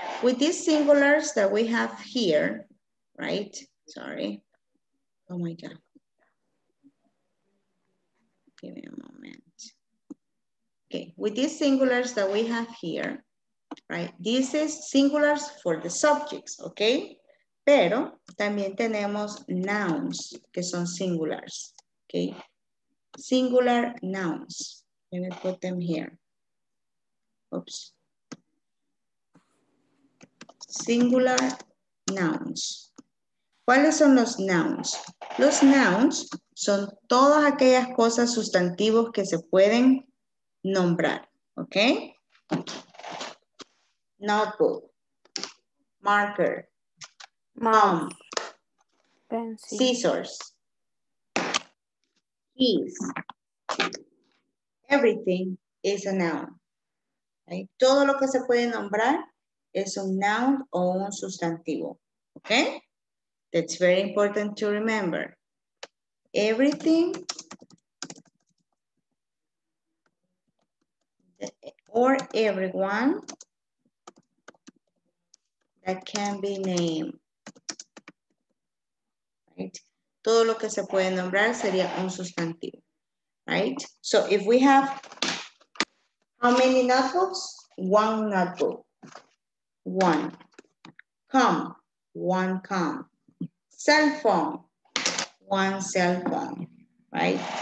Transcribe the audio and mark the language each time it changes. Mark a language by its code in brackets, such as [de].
[en] With these singulars that we have here, right? Sorry. Oh my God. Give me a moment. Okay, with these singulars that we have here, right? This is singulars for the subjects, okay? [es] Pero también tenemos nouns que son singulars, okay? [en] Singular nouns. Let me put them here. Oops. Singular nouns. [es] ¿Cuáles son los nouns? Los nouns son todas aquellas cosas sustantivos que se pueden nombrar, okay? [en] Notebook, marker, mom, scissors, keys. Everything is a noun. Okay? [es] Todo lo que se puede nombrar es un noun o un sustantivo. [en] Okay? That's very important to remember. Everything or everyone that can be named, right? [es] Todo lo que se puede nombrar sería un sustantivo, right? [en] So if we have how many notebooks? One notebook, one. Come, one come. Cell phone, one cell phone, right?